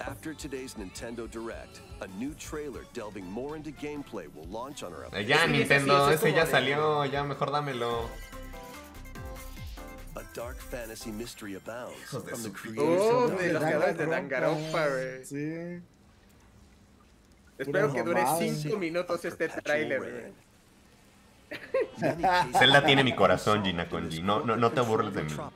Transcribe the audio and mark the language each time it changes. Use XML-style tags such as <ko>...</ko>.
<en>After today's Nintendo Direct, a new trailer delving more into gameplay will launch on our.</en> <es>Ya Nintendo, ese ya salió, ya mejor dámelo.</es> <en>A dark fantasy mystery abounds.</en> <es>Hijos de su creación. De los caras de Danganronpa. Sí. Espero que dure 5 minutos este trailer. Zelda tiene mi corazón, Gina Konji. No te burles de mí.</es>